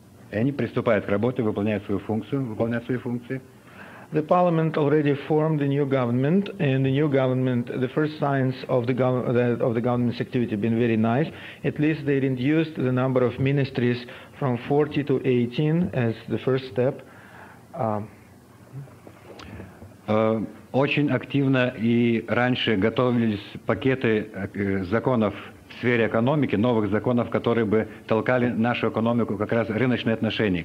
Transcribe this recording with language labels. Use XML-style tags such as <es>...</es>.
<ru>И они приступают к работе, выполняют свои функции.</ru> <en>The parliament already formed a new government, and the new government, the first signs of the government's activity have been very nice. At least they reduced the number of ministries from 40 to 18 as the first step.</en> <ru>Очень активно и раньше готовились пакеты законов в сфере экономики, новых законов, которые бы толкали нашу экономику как раз рыночные отношения.</ru>